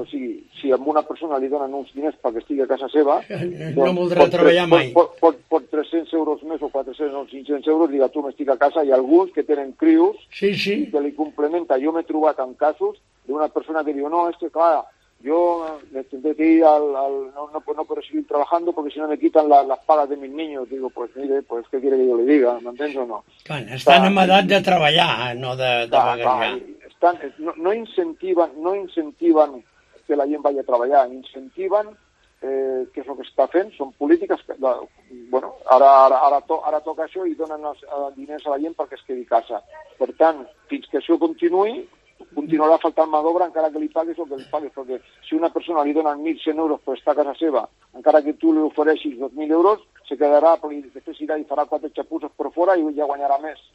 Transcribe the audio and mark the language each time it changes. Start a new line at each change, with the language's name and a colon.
Catalan: o sigui, si a una persona li donen uns diners perquè estigui a casa seva... No voldrà treballar mai. Pot 300 euros més o 400 o 500 euros, diga, tu, m'estic a casa, i alguns que tenen crios que li complementa. Jo m'he trobat en casos d'una persona que diu, no, és que, clar, jo m'he de ir al...
Spanish: No puedo seguir trabajando porque si no me quitan las pagas de mis niños. Digo, pues mire, pues qué quiere que yo le diga,
Catalan: ¿me entens o no? Estan en edat de treballar, no de vagar. tant, no incentiven que la gent vagi a treballar, incentiven que és el que està fent, són polítiques que, bueno, ara toca això i donen els diners a la gent perquè es quedi a casa. Per tant, fins que això continuarà faltant mà d'obra encara que li paguis el que li paguis, perquè si una persona li donen 1.100 euros per estar a casa seva, encara que tu li ofereixis 2.000 euros, se quedarà, però després irà i farà quatre xapuses per fora i ja guanyarà més.